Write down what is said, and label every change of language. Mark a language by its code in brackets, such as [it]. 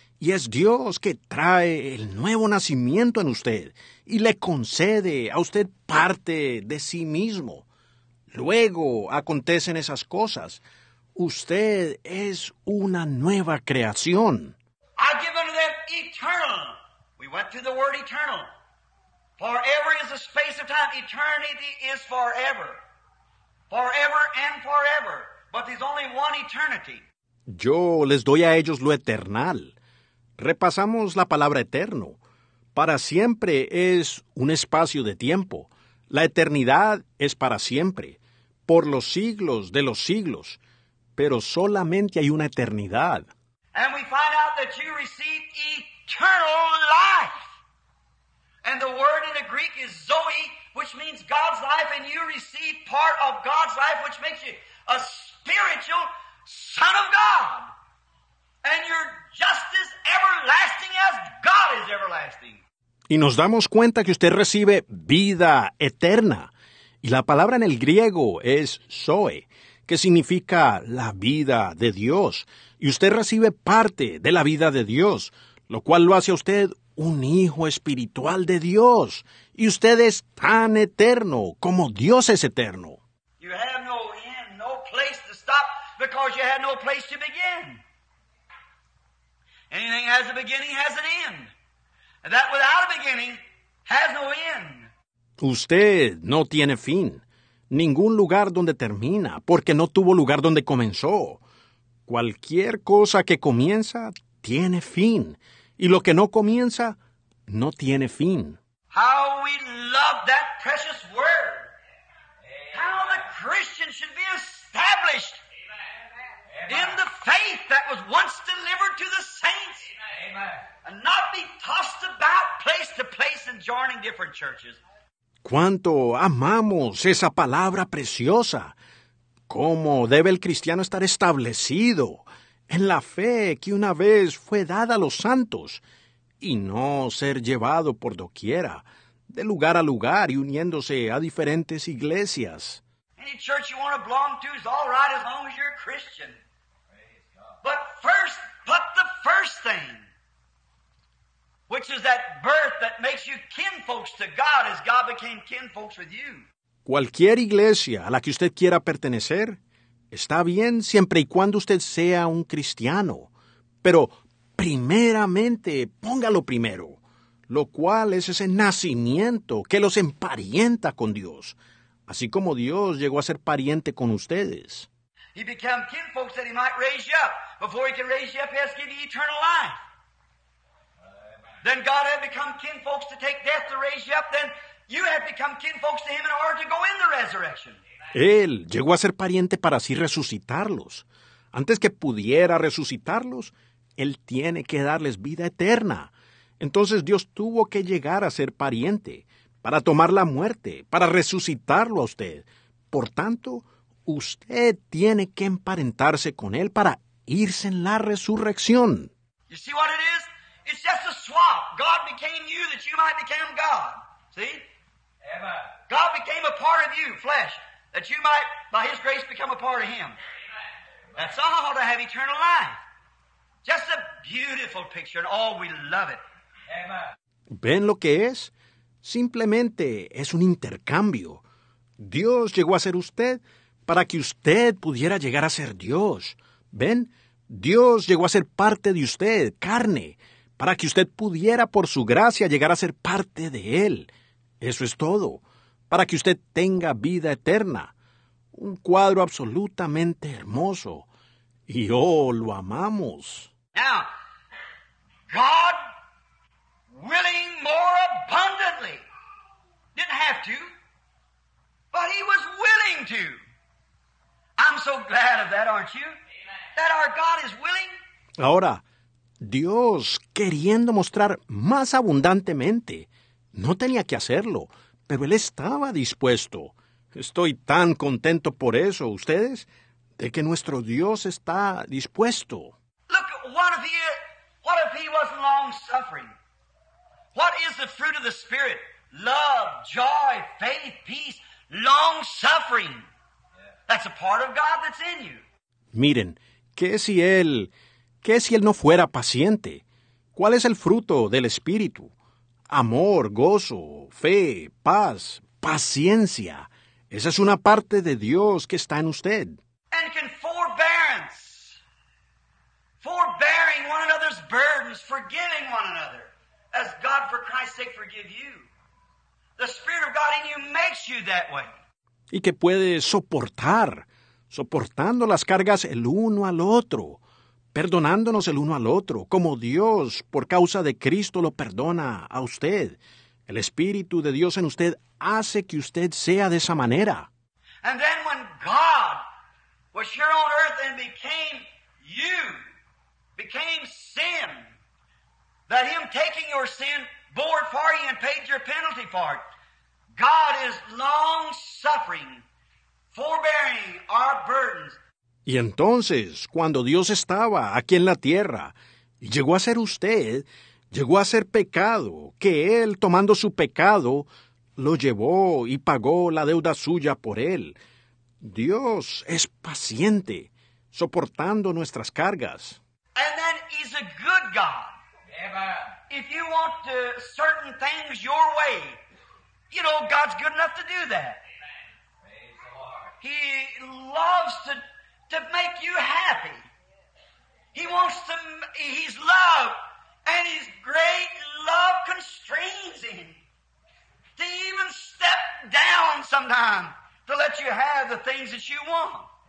[es] Y es Dios que trae el nuevo nacimiento en usted y le concede a usted parte de sí mismo. Luego acontecen esas cosas. Usted es una nueva creación. [en] I give unto them eternal. We went through the word eternal. Forever is a space of time. Eternity is forever. Forever and forever. But there's only one eternity. [es] Yo les doy a ellos lo eternal. Repasamos la palabra eterno. Para siempre es un espacio de tiempo. La eternidad es para siempre, por los siglos de los siglos. Pero solamente hay una eternidad. [en] And we find out that you receive eternal life. And the word in the Greek is Zoe, which means God's life, and you receive part of God's life, which makes you a spiritual son of God. And you're just as everlasting as God is everlasting. [es] Y nos damos cuenta que usted recibe vida eterna. Y la palabra en el griego es Zoe, que significa la vida de Dios. Y usted recibe parte de la vida de Dios, lo cual lo hace a usted un hijo espiritual de Dios. Y usted es tan eterno como Dios es eterno. [en] You have no end, no place to stop because you had no place to begin. Anything has a beginning has an end. And that without a beginning has no end. [es] Usted no tiene fin. Ningún lugar donde termina, porque no tuvo lugar donde comenzó. Cualquier cosa que comienza tiene fin. Y lo que no comienza, no tiene fin. [en] How we love that precious word. How the Christian should be established. In the faith that was once delivered to the saints. And not be tossed about place to place and joining different churches. [es] ¿Cuánto amamos esa palabra preciosa? ¿Cómo debe el cristiano estar establecido en la fe que una vez fue dada a los santos, y no ser llevado por doquiera, de lugar a lugar y uniéndose a diferentes iglesias? [en] Any church you want to belong to is all right as long as you're a Christian. But first, put the first thing, which which is that birth that makes you kinfolks to God as God became kinfolks with you. [es] Cualquier iglesia a la que usted quiera pertenecer está bien siempre y cuando usted sea un cristiano. Pero primeramente, póngalo primero, lo cual es ese nacimiento que los emparienta con Dios, así como Dios llegó a ser pariente con ustedes. [en] He became kinfolks that he might raise you up. Before he can raise you up, he has to give you eternal life. Then God had become kinfolks to take death to raise you up. Then you have become kinfolks to him in order to go in the resurrection. [es] Él llegó a ser pariente para así resucitarlos. Antes que pudiera resucitarlos, él tiene que darles vida eterna. Entonces Dios tuvo que llegar a ser pariente para tomar la muerte, para resucitarlo a usted. Por tanto, usted tiene que emparentarse con él para irse en la resurrección. [en] You see what it is? It's just a swap. God became you that you might become God. See? Amen. God became a part of you, flesh, that you might, by his grace, become a part of him. Amen. That's all to have eternal life. Just a beautiful picture, and oh, we love it. Amen. [es] ¿Ven lo que es? Simplemente es un intercambio. Dios llegó a ser usted para que usted pudiera llegar a ser Dios. ¿Ven? Dios llegó a ser parte de usted, carne, para que usted pudiera, por su gracia, llegar a ser parte de él. Eso es todo. Para que usted tenga vida eterna. Un cuadro absolutamente hermoso. Y, oh, lo amamos. [en] Now, God willing more abundantly. Didn't have to, but he was willing to. I'm so glad of that, aren't you? That our God is willing. [es] Ahora, Dios, queriendo mostrar más abundantemente, no tenía que hacerlo, pero él estaba dispuesto. Estoy tan contento por eso, ustedes, de que nuestro Dios está dispuesto. [en] Look, what if he wasn't long-suffering? What is the fruit of the Spirit? Love, joy, faith, peace, long-suffering. That's a part of God that's in you. [es] Miren, ¿Qué si él no fuera paciente? ¿Cuál es el fruto del Espíritu? Amor, gozo, fe, paz, paciencia. Esa es una parte de Dios que está en usted. [en] And can forbearance, forbearing one another's burdens, forgiving one another, as God for Christ's sake forgive you. The Spirit of God in you makes you that way. [es] Y que puede soportar. Soportando las cargas el uno al otro, perdonándonos el uno al otro, como Dios, por causa de Cristo, lo perdona a usted. El Espíritu de Dios en usted hace que usted sea de esa manera. [en] And then when God was here on earth and became you, became sin, that him taking your sin bore for you and paid your penalty for it, God is long-suffering. Forbearing our burdens. [es] Y entonces, cuando Dios estaba aquí en la tierra, y llegó a ser usted, llegó a ser pecado, que Él, tomando su pecado, lo llevó y pagó la deuda suya por Él. Dios es paciente, soportando nuestras cargas. [en] And then he's a good God. Amen. If you want to certain things your way, you know, God's good enough to do that. He loves to make you happy. He wants to, he's love, and his great love constrains him to even step down sometime to let you have the things that you want.